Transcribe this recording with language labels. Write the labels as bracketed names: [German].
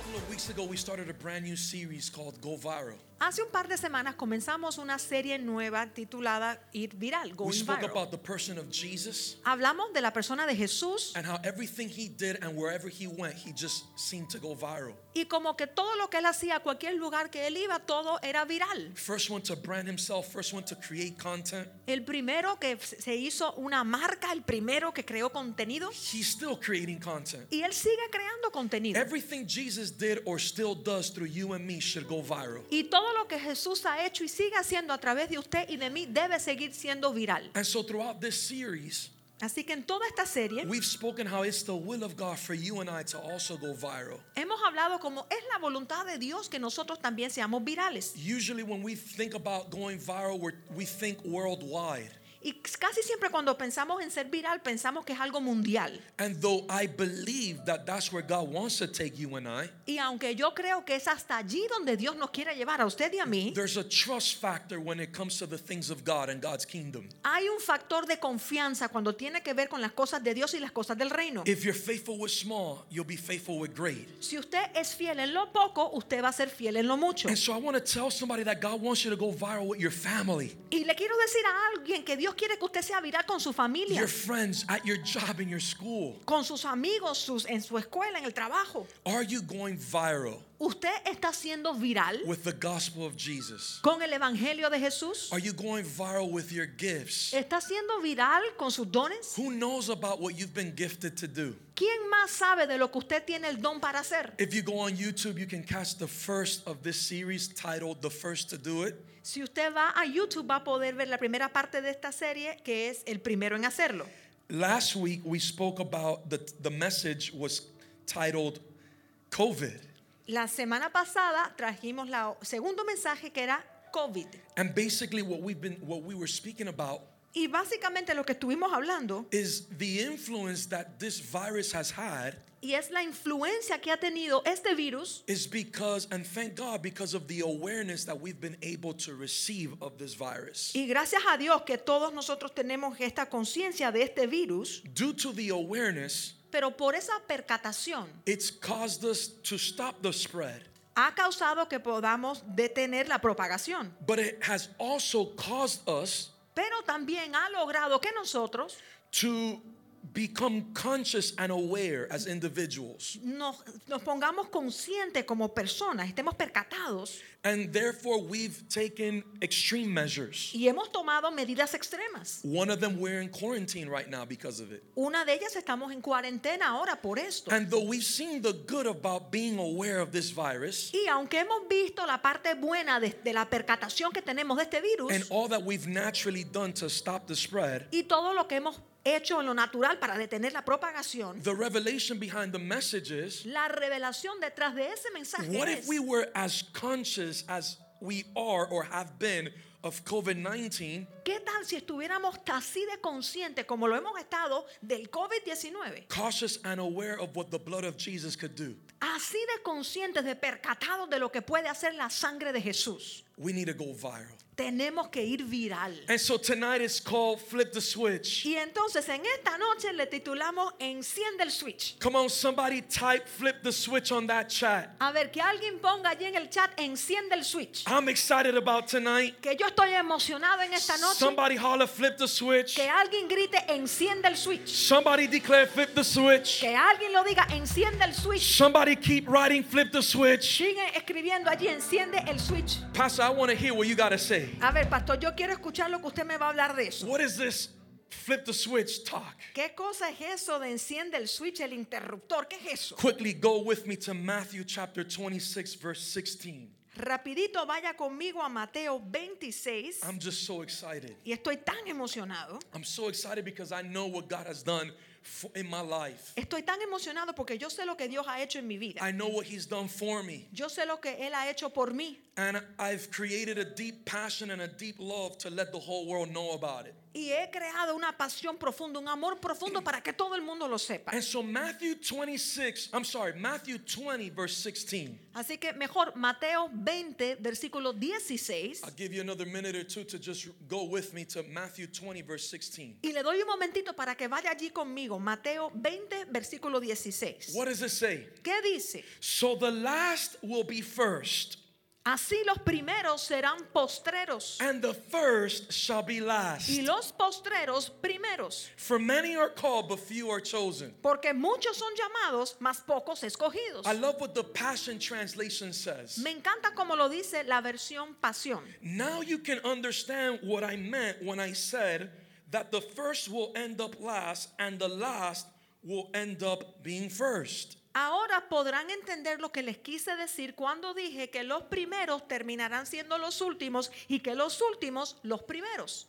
[English] Weeks ago, we started a brand new series called Go Viral. [Spanish] Hace un par de semanas comenzamos una serie nueva titulada Ir Viral, Go Viral. [English] We spoke about the person of Jesus. [Spanish] Hablamos de la persona de Jesús. [English] And how everything he did and wherever he went, he just seemed to go viral. [Spanish] Y como que todo lo que él hacía, cualquier lugar que él iba, todo era viral. [English] First one to brand himself, first one to create content. [Spanish] El primero que se hizo una marca, el primero que creó contenido. [English] He's still creating content. [Spanish] Y él sigue creando contenido. [English] Everything Jesus did or still does through you and me should go viral. [Spanish] Y todo lo que Jesús ha hecho y sigue haciendo a través de usted y de mí debe seguir siendo viral. [English] And so throughout this series, [Spanish] así que en toda esta serie, [English] we've spoken how it's the will of God for you and I to also go viral. [Spanish] Hemos hablado como es la voluntad de Dios que nosotros también seamos virales. [English] Usually when we think about going viral, we think worldwide. [Spanish] Y casi siempre cuando pensamos en ser viral pensamos que es algo mundial. [English] And though I believe that that's where God wants to take you and I. [Spanish] Y aunque yo creo que es hasta allí donde Dios nos quiere llevar a usted y a mí. [English] There's a trust factor when it comes to the things of God and God's kingdom. [Spanish] Hay un factor de confianza cuando tiene que ver con las cosas de Dios y las cosas del reino. [English] If you're faithful with small, you'll be faithful with great. [Spanish] Si usted es fiel en lo poco, usted va a ser fiel en lo mucho. [English] And so I want to tell somebody that God wants you to go viral with your family. [Spanish] Y le quiero decir a alguien que Dios quiere que usted sea viral con su familia. [English] Your friends, at your job, in your school. [Spanish] Con sus amigos, sus, en su escuela, en el trabajo. [English] Are you going viral? [Spanish] ¿Usted está siendo viral? [English] With the gospel of Jesus. [Spanish] ¿Con el evangelio de Jesús? [English] Are you going viral with your gifts? [Spanish] ¿Está siendo viral con sus dones? [English] Who knows about what you've been gifted to do? [Spanish] ¿Quién más sabe de lo que usted tiene el don para hacer? [English] If you go on YouTube, you can catch the first of this series titled The First to Do It. [Spanish] Si usted va a YouTube va a poder ver la primera parte de esta serie que es el primero en hacerlo. [English] Last week we spoke about the message was titled COVID. [Spanish] La semana pasada trajimos la segundo mensaje que era COVID. [English] And basically what we were speaking about. [Spanish] Y básicamente lo que estuvimos hablando [English] is the influence that this virus has had. [Spanish] Y es la influencia que ha tenido este virus. [English] Is because, and thank God, because of the awareness that we've been able to receive of this virus. [Spanish] Y gracias a Dios que todos nosotros tenemos esta conciencia de este virus. [English] Due to the awareness, [Spanish] pero por esa percatación, [English] it's caused us to stop the spread. [Spanish] Ha causado que podamos detener la propagación. [English] But it has also caused us, [Spanish] pero también ha logrado que nosotros, [English] to become conscious and aware as individuals. [Spanish] Nos pongamos conscientes como personas, estemos percatados. [English] And therefore we've taken extreme measures. [Spanish] Y hemos tomado medidas extremas. [English] One of them we're in quarantine right now because of it. [Spanish] Una de ellas estamos en cuarentena ahora por esto. [English] And though we've seen the good about being aware of this virus. [Spanish] Y aunque hemos visto la parte buena de la percatación que tenemos de este virus. [English] And all that we've naturally done to stop the spread. [Spanish] Y todo lo que hemos hecho en lo natural para detener la propagación. [English] The revelation behind the message is, [Spanish] la revelación detrás de ese mensaje es, [English] what if we were as conscious as we are or have been of COVID-19? [Spanish] ¿Qué tal si estuviéramos así de conscientes como lo hemos estado del COVID-19? [English] Cautious and aware of what the blood of Jesus could do. [Spanish] Así de conscientes, de percatados de lo que puede hacer la sangre de Jesús. [English] We need to go viral. [Spanish] Tenemos que ir viral. [English] And so tonight is called Flip the Switch. [Spanish] Y entonces en esta noche le titulamos Enciende el Switch. [English] Come on, somebody type Flip the Switch on that chat. [Spanish] A ver, que alguien ponga allí en el chat Enciende el Switch. [English] I'm excited about tonight. [Spanish] Que yo estoy emocionado en esta noche. [English] Somebody holler Flip the Switch. [Spanish] Que alguien grite Enciende el Switch. [English] Somebody declare Flip the Switch. [Spanish] Que alguien lo diga Enciende el Switch. [English] Somebody keep writing Flip the Switch. [Spanish] Sigue escribiendo allí Enciende el Switch. [English] Pastor, I want to hear what you got to say. [Spanish] A ver, pastor, yo quiero escuchar lo que usted me va a hablar de eso. [English] What is this flip the switch talk? [Spanish] ¿Qué cosa es eso de enciende el switch, el interruptor? ¿Qué es eso? [English] Quickly go with me to Matthew chapter 26 verse 16. [Spanish] Rapidito vaya conmigo a Mateo 26. [English] I'm just so excited. [Spanish] Y estoy tan emocionado. [English] I'm so excited because I know what God has done in my life. [Spanish] Estoy tan emocionado porque yo sé lo que Dios ha hecho en mi vida. [English] I know what he's done for me. [Spanish] Yo sé lo que él ha hecho por mí. [English] And I've created a deep passion and a deep love to let the whole world know about it. [Spanish] Y he creado una pasión profunda, un amor profundo para que todo el mundo lo sepa. [English] And so Matthew 20 verse 16. [Spanish] Así que mejor Mateo 20 versículo 16. [English] I'll give you another minute or two to just go with me to Matthew 20 verse 16. [Spanish] Y le doy un momentito para que vaya allí conmigo, Mateo 20 versículo 16. [English] What does it say? [Spanish] ¿Qué dice? [English] So the last will be first. [Spanish] Así los primeros serán postreros. [English] And the first shall be last. [Spanish] Y los postreros primeros. [English] For many are called, but few are chosen. [Spanish] Porque muchos son llamados, mas pocos escogidos. [English] I love what the Passion Translation says. [Spanish] Me encanta como lo dice la versión Pasión. [English] Now you can understand what I meant when I said that the first will end up last and the last will end up being first. [Spanish] Ahora podrán entender lo que les quise decir cuando dije que los primeros terminarán siendo los últimos y que los últimos los primeros.